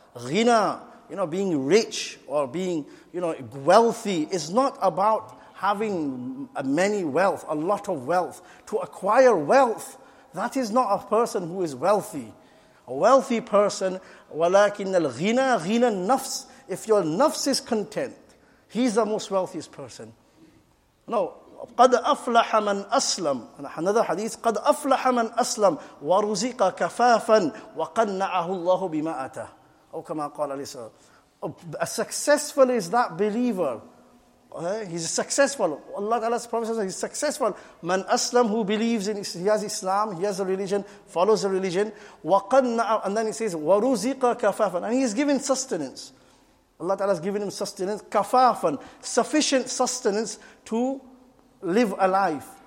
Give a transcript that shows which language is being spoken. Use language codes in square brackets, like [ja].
[en] Ghina, you know, being rich or being, you know, wealthy, is not about having many wealth, a lot of wealth. To acquire wealth, that is not a person who is wealthy. A wealthy person, walakin al-ghina ghina nafs. If your nafs is content, he's the most wealthiest person. No, [ar] قَدْ أَفْلَحَ مَنْ أَسْلَمْ. [en] Another hadith, [ar] قَدْ أَفْلَحَ مَنْ أَسْلَمْ وَرُزِقَ كَفَافًا وَقَنَّعَهُ اللَّهُ بِمَا أَتَى. Oh, كَمَا قَالَ عَلَيْهِ سَلَامُ. [en] A successful is that believer. He's successful. Allah Ta'ala's Prophet says he's successful. [ar] مَنْ أَسْلَمْ, [en] who believes in, he has Islam, he has a religion, follows the religion. [ar] وَقَنَّعَهُ. [en] And then he says, [ar] وَرُزِقَ كَفَافًا. [en] And he is given sustenance. Allah Ta'ala has given him sustenance, kafafan, sufficient sustenance to live a life.